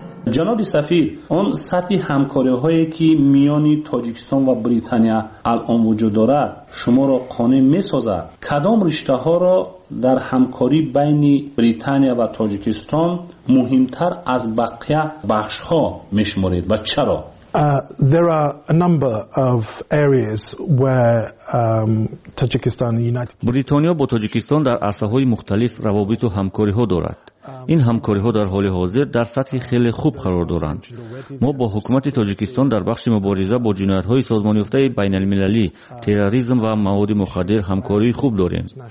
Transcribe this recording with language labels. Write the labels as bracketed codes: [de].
[fa] جناب سفیر، اون سطح همکاری هایی که میانی تاجیکستان و بریتانیا الان وجود دارد شما را قانع می‌سازد؟ کدام رشته ها را در همکاری بین بریتانیا و تاجیکستان مهمتر از بقیه بخش ها می‌شمارید و چرا؟ [en] There are a number of areas where Tajikistan and United Kingdom. [fa] بریتانیا با تاجیکستان در عرصه‌های مختلف روابط و همکاری‌ها دارد. این همکاری‌ها در حال حاضر در سطح خیلی خوب قرار دارند. ما با حکومت تاجیکستان در بخش مبارزه با جنایت‌های سازمان یافته بین‌المللی، تروریسم و مواد مخدر همکاری خوب داریم.